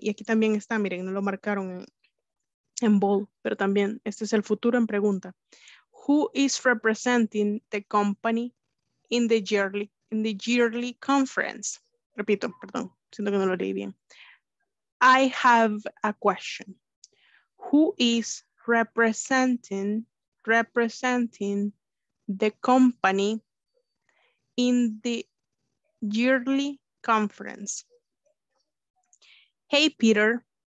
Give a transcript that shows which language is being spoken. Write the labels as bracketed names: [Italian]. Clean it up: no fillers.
[Spanish] Y aquí también está, miren, no lo marcaron en bold, pero también este es el futuro en pregunta. [English] Who is representing the company in the yearly conference? [Spanish] Repito, perdón, siento que no lo leí bien. [English] I have a question. Who is representing the company in the yearly conference? Hey, Peter.